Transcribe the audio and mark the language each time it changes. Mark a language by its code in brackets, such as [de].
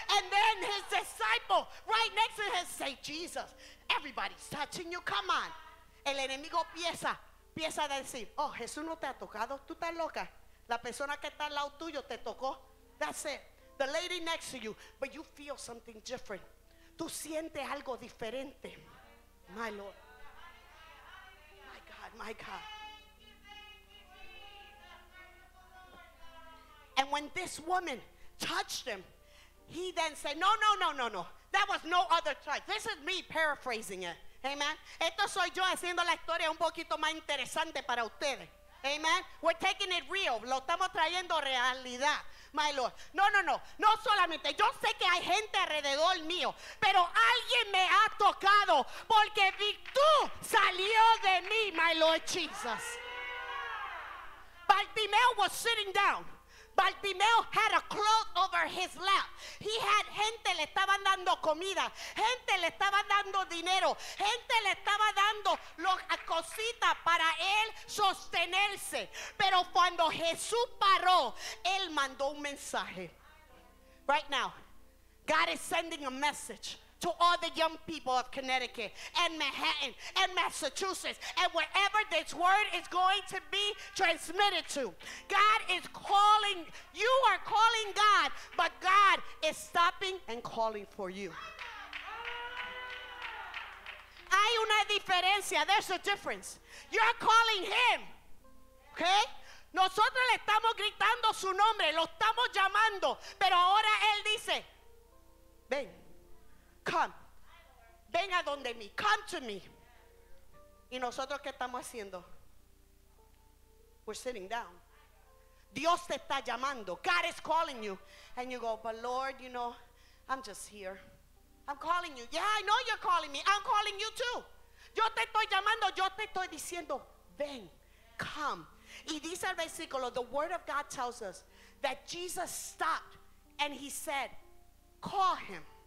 [en] And then his disciple right next to him say, Jesus, everybody's touching you, come on. [es] El enemigo empieza a decir, oh, Jesús no te ha tocado, tú estás loca. La persona que está al lado tuyo te tocó. [en] That's it. The lady next to you, but you feel something different. [es] Tú sientes algo diferente. [en] My Lord. My God, my God. And when this woman touched him, he then said, no, no, no, no, no. That was no other touch. This is me paraphrasing it. Amen. [es] Esto soy yo haciendo la historia un poquito más interesante para ustedes. Amen. [en] We're taking it real. [es] Lo estamos trayendo realidad. [en] My Lord. [es] No, no, no. No solamente. Yo sé que hay gente alrededor mío, pero alguien me ha tocado porque tú salió de mí, [en] my Lord Jesus. Bartimeo was sitting down. Bartimeo had a cloth over his lap. He had [es] gente le estaban dando comida, gente le estaban dando dinero, gente le estaba dando cositas para él sostenerse. Pero cuando Jesús paró, él mandó un mensaje. [en] Right now, God is sending a message to all the young people of Connecticut and Manhattan and Massachusetts and wherever this word is going to be transmitted to. God is calling, you are calling God, but God is stopping and calling for you. [es] Hay una diferencia, [en] there's a difference. You're calling him, okay? [es] Nosotros le estamos gritando su nombre, lo estamos llamando, pero ahora él dice, ven. [en] Come, [es] ven a donde mí, [en] come to me. [es] ¿Y nosotros qué estamos haciendo? [en] We're sitting down. [es] Dios te está llamando. [en] God is calling you. And you go, but Lord, you know, I'm just here. I'm calling you. Yeah, I know you're calling me. I'm calling you too. [es] Yo te estoy llamando, yo te estoy diciendo, ven, [en] come. [es] Y dice el versículo, [en] the word of God tells us that Jesus stopped and he said, call him.